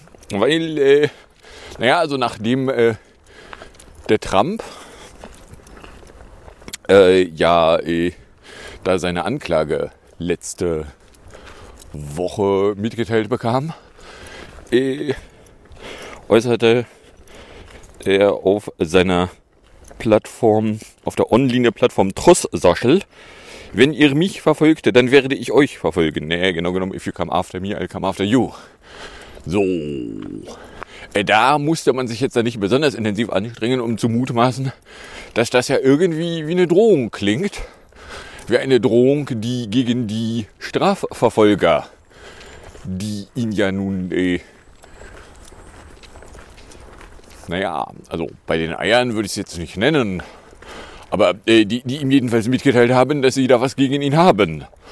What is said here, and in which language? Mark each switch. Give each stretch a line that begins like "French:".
German: Weil, naja, also nachdem der Trump da seine Anklage letzte Woche mitgeteilt bekam, äußerte er auf seiner Plattform, auf der Online-Plattform Trossoschel: Wenn ihr mich verfolgt, dann werde ich euch verfolgen. Naja, genau genommen,
English: if you come after me, I'll come after you.
German: So, da musste man sich jetzt da nicht besonders intensiv anstrengen, um zu mutmaßen, dass das ja irgendwie wie eine Drohung klingt. Wie eine Drohung, die gegen die Strafverfolger, die ihn ja nun, naja, also bei den Eiern würde ich es jetzt nicht nennen, aber die ihm jedenfalls mitgeteilt haben, dass sie da was gegen ihn haben.